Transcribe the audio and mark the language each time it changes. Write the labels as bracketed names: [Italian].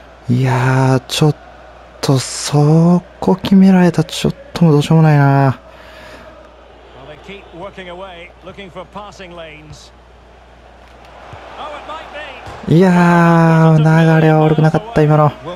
[Japanese] いやー、ちょっとそこ決められたちょっともどうしようもないな。 [English] Well, they keep working away, looking for passing lanes. [Japanese] いやー、流れは悪くなかった今の。